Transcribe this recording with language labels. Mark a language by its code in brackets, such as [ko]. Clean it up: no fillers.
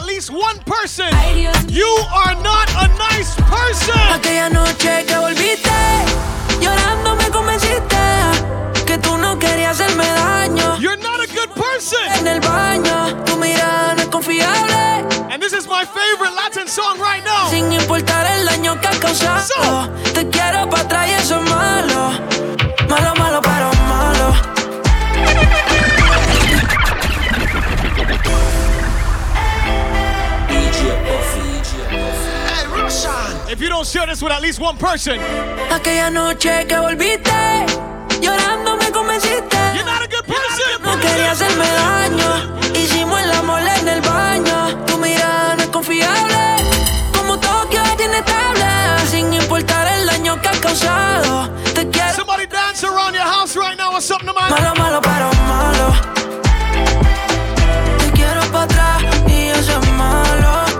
[en] One person, you are not a nice person. [es] Aquella noche que volviste, llorando me convenciste que tú no querías hacerme daño. [en] You're not a good person. [es] En el baño, tu mirada no es confiable. [en] And this is my favorite Latin song right now. [es] Sin importar el daño que ha causado, [en] so, [es] te quiero para atrás y eso es malo. Malo, malo, pero malo. [en] If you don't share this with at least one person. [es] Aquella noche que volviste, llorando me convenciste. [en] You're not a good person. [es] No quería hacerme daño. Hicimos el amor en el baño. Tu mirada no es confiable. Como Tokio es inestable. Sin importar el daño que has causado. Te quiero. [en] Somebody dance around your house right now or something, man. [es] Malo, malo, pero malo. Te quiero pa' atrás y yo soy malo.